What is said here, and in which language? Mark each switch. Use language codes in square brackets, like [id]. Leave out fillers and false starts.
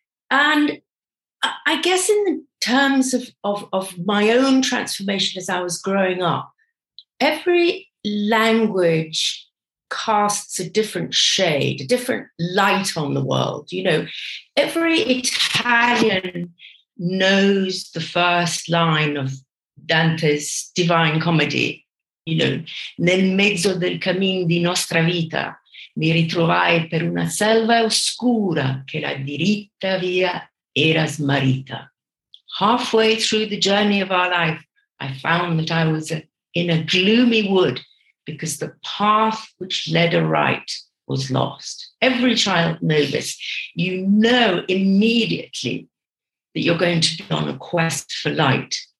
[en] And I guess in the terms of my own transformation as I was growing up, every language casts a different shade, a different light on the world. You know, every Italian knows the first line of Dante's Divine Comedy, you know, [it] nel mezzo del cammin di nostra vita mi ritrovai per una selva oscura che la diritta via era smarita. [en] Halfway through the journey of our life, I found that I was in a gloomy wood because the path which led aright was lost. Every child knows this. You know immediately that you're going to be on a quest for light.